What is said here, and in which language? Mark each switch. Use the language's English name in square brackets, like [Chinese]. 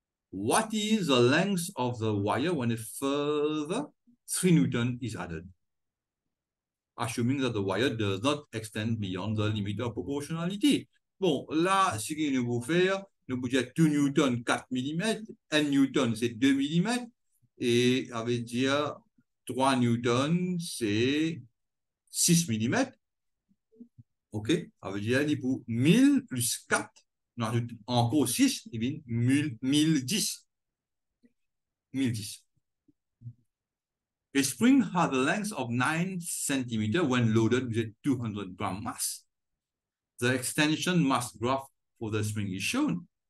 [English] What is the length of the wire when a further 3 newton is added? Assuming that the wire does not extend beyond the limit of proportionality. [French] Bon, là, ce qu'il nous faut faire, nous pouvons dire 2 newton, 4 mm, 1 newton, c'est 2 mm, et ça veut dire 3 newton, c'est 6 mm. OK, ça veut dire, il faut 1000 plus 4, nous ajoutons encore 6, il vient 1010. 1010. [English] A spring has a length of 9 cm when loaded with a 200 gram mass. The extension mass graph for the spring is shown.